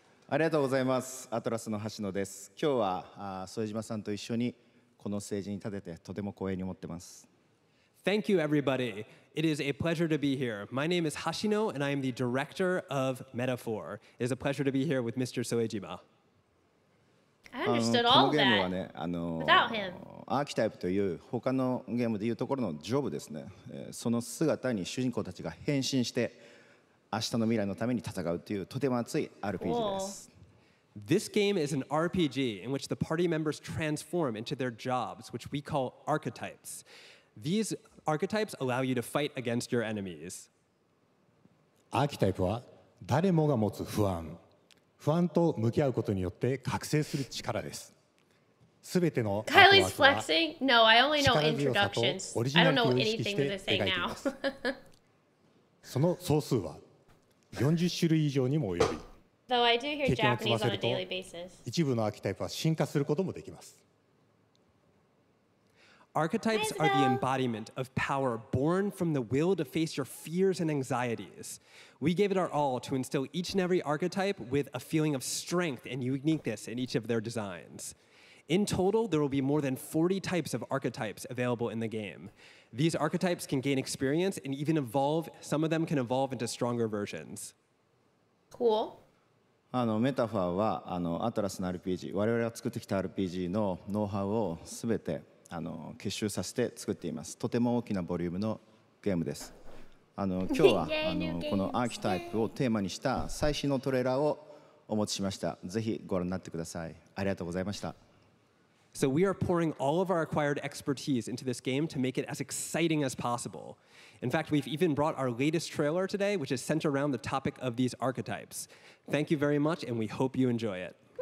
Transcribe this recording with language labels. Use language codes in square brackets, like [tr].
[ja] ありがとうございます。アトラスの橋野です。今日は副島さんと一緒にこのステージに立ててとても光栄に思ってます。 [en] Thank you, everybody. It is a pleasure to be here. My name is Hashino, and I am the director of Metaphor. It is a pleasure to be here with Mr. Soejima. I understood all that without him. Archetype [ja] という他のゲームでいうところのジョブですね。その姿に主人公たちが変身して明日の未来のために戦うというとても熱い RPG です。 [en] This game is an RPG in which the party members transform into their jobs, which we call archetypes. These archetypes allow you to fight against your enemies. [ja] Archetype は誰もが持つ不安。不安と向き合うことによって覚醒する力です。すべてのアートワークは。 [en] Kylie's flexing? No, I only know introductions. I don't know anything to say now. [ja] その総数は40種類以上にも及び。 [en] Though I do hear Japanese on a daily basis. 一 [ja] 部のアーキタイプは進化することもできます。 [en] Archetypes are the embodiment of power born from the will to face your fears and anxieties. We gave it our all to instill each and every archetype with a feeling of strength and uniqueness in each of their designs. In total, there will be more than 40 types of archetypes available in the game. These archetypes can gain experience and even evolve. Some of them can evolve into stronger versions. Cool. [ja] メタファーはアトラスの RPG、我々が作ってきた RPG のノウハウをすべて結集させて作っています。とても大きなボリュームのゲームです。今日はこのアーキタイプをテーマにした最新のトレーラーをお持ちしました。ぜひご覧になってください。ありがとうございました。 [en] So we are pouring all of our acquired expertise into this game to make it as exciting as possible. In fact, we've even brought our latest trailer today, which is centered around the topic of these archetypes. Thank you very much, and we hope you enjoy it.